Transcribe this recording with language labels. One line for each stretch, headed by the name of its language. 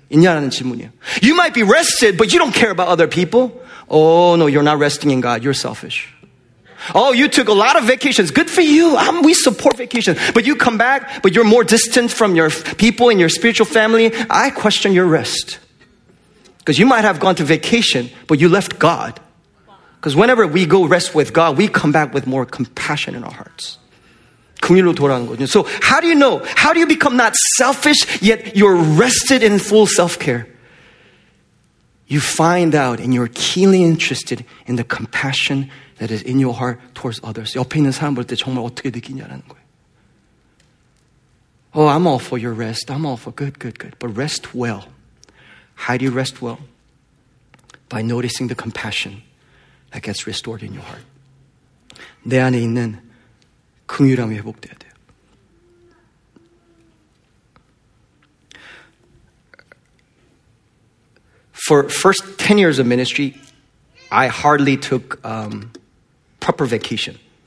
Korean: 있냐라는 질문이에요.
English: You might be rested, but you don't care about other people. Oh, no, you're not resting in God. You're selfish. Oh, you took a lot of vacations. Good for you. We support vacations. But you come back, but you're more distant from your people and your spiritual family. I question your rest. Because you might have gone to vacation, but you left God. Because whenever we go rest with God, we come back with more compassion in our hearts. So how do you know? How do you become not selfish, yet you're rested in full self-care? You find out and you're keenly interested in the compassion that is in your heart towards others.
Korean: 옆에 있는 사람 볼 때 정말 어떻게 느끼냐라는 거예요.
English: Oh, I'm all for your rest. I'm all for good, good, good. But rest well. How do you rest well? By noticing the compassion that gets restored in your heart.
Korean: 내 안에 있는 긍휼함이 회복돼야 돼요.
English: 10 years of ministry, I hardly took proper vacation.